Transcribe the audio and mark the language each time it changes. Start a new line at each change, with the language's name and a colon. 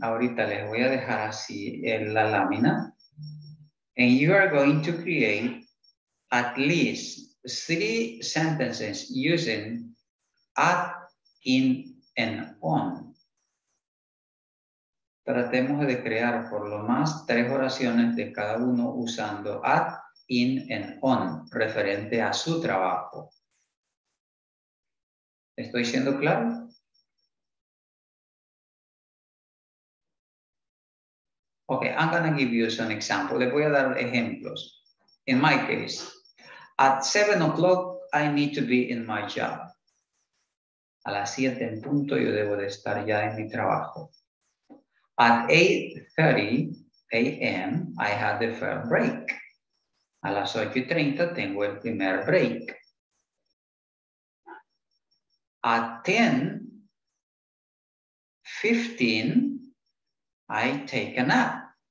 Spanish: Ahorita les voy a dejar así en la lámina.
English: And you are going to create at least 3 sentences using at, in, and on.
Spanish: Tratemos de crear por lo más 3 oraciones de cada uno usando at, in, and on, referente a su trabajo. ¿Estoy siendo claro? Sí,
English: Okay, I'm gonna give you some example.
Spanish: Le voy a dar ejemplos.
English: In my case, at 7 o'clock, I need to be in my job.
Spanish: A las 7 en punto, yo debo de estar ya en mi trabajo.
English: At 8:30 a.m., I have the first break.
Spanish: A las 8:30, tengo el primer break.
English: At 10:15, I take a nap.